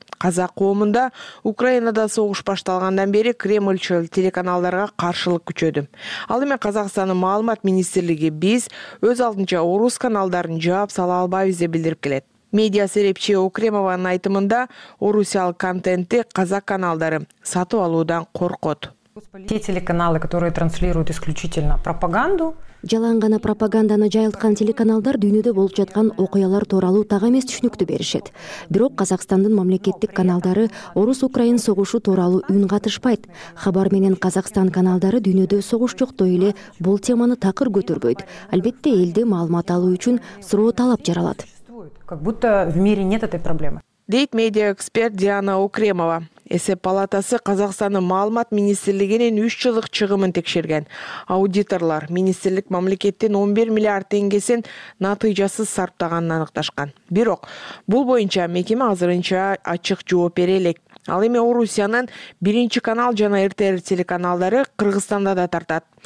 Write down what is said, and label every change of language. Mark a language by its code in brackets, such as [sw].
[ky] Казак коомунда Украинада согуш башталгандан бери Кремльчыл телеканалдарга каршылык күчөдү. Ал эми Казакстандын маалымат министрлиги биз өз алдынча орус каналдарын жаап сала албайбыз деп билдирип келет. Медиа серепчи Окремованын айтымында орусиялык контентти казак каналдары сатып алуудан коркот. [ru] Те телеканалы, которые транслируют исключительно пропаганду. [ky] Жалаң гана пропаганданы жайылткан телеканалдар дүйнөдө болуп жаткан окуялар тууралуу так эмес түшүнүктү беришет. Бирок Казакстандын мамлекеттик каналдары орус-украин согушу тууралуу үн катышпайт. Хабар менен Казакстан каналдары дүйнөдө согуш жоктой эле бул теманы такыр көтөрбөйт. Албетте элди маалымат алуу үчүн суроо талап жаралат. [ru] Как будто в мире нет этой проблемы. [ky] Дейт медиа-эксперт Диана Окремова. Эсеп палатасы Казакстандын маалымат министрлигинин 3 жылдык чыгымын текшерген. Аудиторлор министрлик мамлекеттин 11 миллиард теңгесин натыйжасыз сарптаганын аныкташкан. Бирок бул боюнча мекеме азырынча ачык жооп бере элек. Ал эми Орусиянын биринчи канал жана РТР телеканалдары Кыргызстанда да тартат.